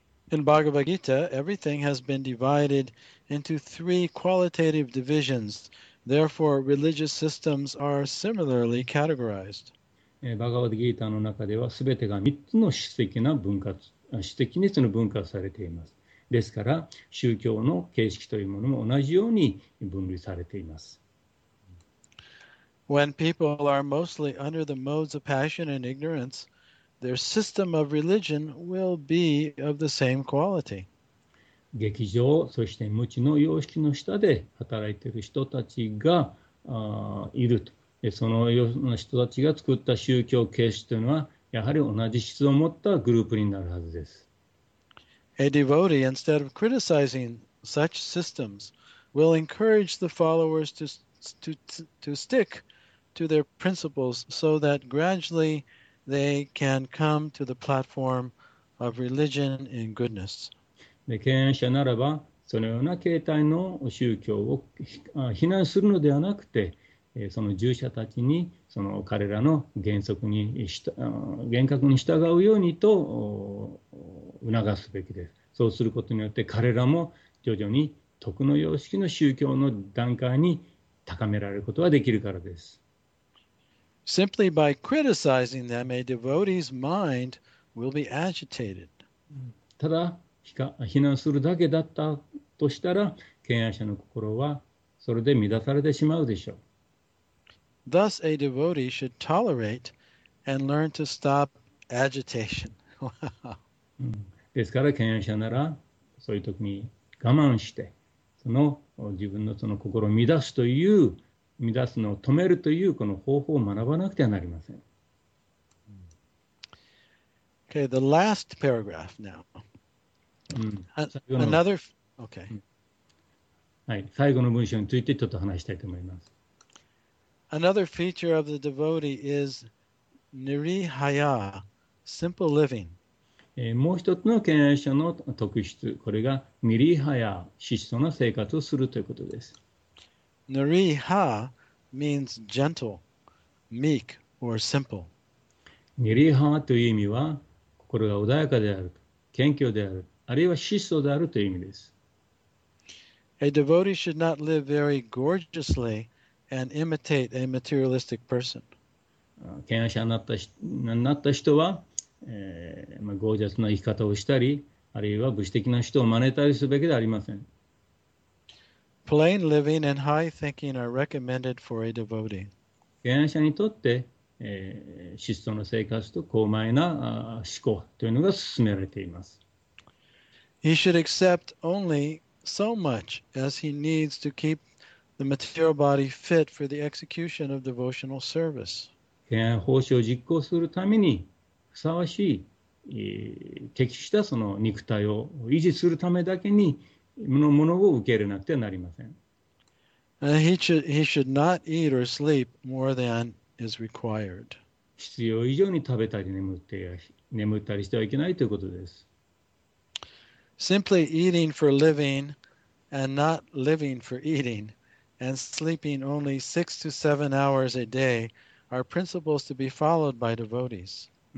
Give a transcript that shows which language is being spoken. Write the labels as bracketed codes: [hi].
[en] In Bhagavad Gita, everything has been divided into three qualitative divisions. Therefore, religious systems are similarly categorized. [ja] Bhagavad Gita の中では、すべてが3つの質的に分割されています。ですから、宗教の形式というものも同じように分類されています。 [en] When people are mostly under the modes of passion and ignorance,their system of religion will be of the same quality. [ja] 劇場、そして無知の様式の下で働いている人たちがいると。そのような人たちが作った宗教形式というのは、やはり同じ質を持ったグループになるはずです。 [en] A devotee, instead of criticizing such systems, will encourage the followers to stick to their principles so that gradually they can come to the platform of religion in goodness. [ja] 敬遠者ならば、そのような形態の宗教を非難するのではなくて、その従者たちにその彼らの厳格に従うようにと促すべきです。そうすることによって彼らも徐々に徳の様式の宗教の段階に高められることができるからです。 [en] Simply by criticizing them, a devotee's mind will be agitated. [ja] ただ非難するだけだったとしたら、敬愛者の心はそれで乱されてしまうでしょう。 [en] Thus, a devotee should tolerate and learn to stop agitation. [ja] ですから、敬愛者ならそういう時に我慢して、その自分のその心を乱すという、乱すのを止めるというこの方法を学ばなくてはなりません。 [en] Okay, the last paragraph now. Another. Okay. [ja] はい、最後の文章についてちょっと話したいと思います。 [en] Another feature of the devotee is nirihaya, simple living. [ja] もう一つの敬愛者の特質、これがnirihaya、質素な生活をするということです。 [en] Niriha means gentle, meek, or simple. [ja] Niriha という意味は、心が穏やかである、謙虚である、あるいは質素であるという意味です。 [en] A devotee should not live very gorgeously and imitate a materialistic person. [ja] 敬愛者になった人は、ゴージャスな生き方をしたり、あるいは物質的な人を真似たりするべきではありません。 [en] Plain living and high thinking are recommended for a devotee. [ja] 敬愛者にとって、質素な生活と高邁な思考というのが勧められています。 [en] He should accept only so much as he needs to keep the material body fit for the execution of devotional service. [ja] 敬愛奉仕を実行するためにふさわしい、適したその肉体を維持するためだけにのものを受け入れなくてはなりません。 [en] He should not eat or sleep more than is required. [ja] 必要以上に食べたり眠ったりしてはいけないということです。 [en] Simply eating for living and not living for eating and sleeping only 6 to 7 hours a day are principles to be followed by devotees.